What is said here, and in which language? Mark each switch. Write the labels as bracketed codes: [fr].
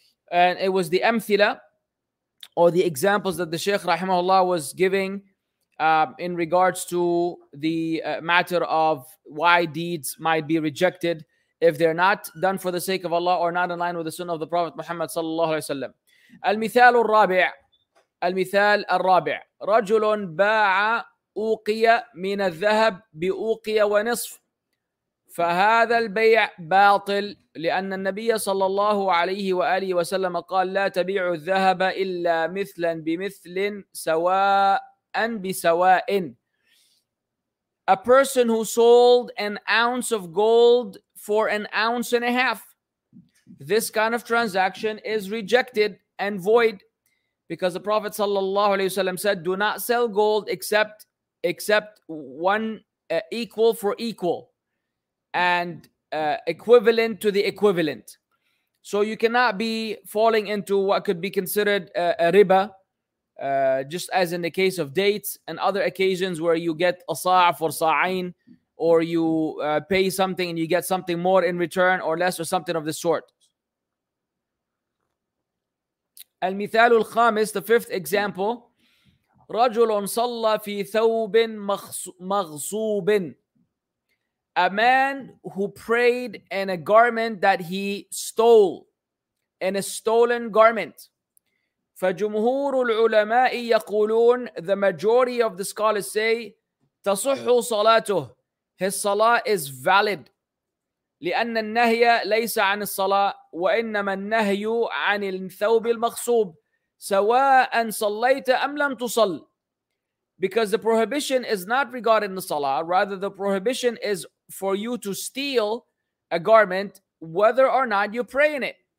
[en] And it was the amthila, or the examples that the Sheikh rahimahullah was giving in regards to the matter of why deeds might be rejected if they're not done for the sake of Allah or not in line with the sunnah of the Prophet Muhammad sallallahu alaihi wasallam. [ar] المثال الرابع المثال الرابع رجل باع أوقية من الذهب بأوقية ونصف فهذا البيع باطل لأن النبي صلى الله عليه وآله وسلم قال لا تبيع الذهب إلا مثلا بمثل سواء بسواء. [en] A person who sold an ounce of gold for an ounce and a half. This kind of transaction is rejected and void because the Prophet sallallahu alaihi wasallam said, do not sell gold except one equal for equal and equivalent to the equivalent. So you cannot be falling into what could be considered a riba, just as in the case of dates and other occasions where you get a sa' for sa'ain, or you pay something and you get something more in return or less or something of the sort. [ar] المثال الخامس, [en] the fifth example, [ar] رجل صلى في ثوب مغصوب. [en] A man who prayed in a garment that he stole, in a stolen garment. [ar] فجمهور العلماء يقولون, [en] the majority of the scholars say, [ar] تصح صلاته, [en] his salah is valid. [ar] لأن النهي ليس عن الصلاة وإنما النهي عن الثوب المغصوب سواء صليت أم لم تصل. [en] Because the prohibition is not regarding the salah, rather the prohibition is for you to steal a garment whether or not you pray in it.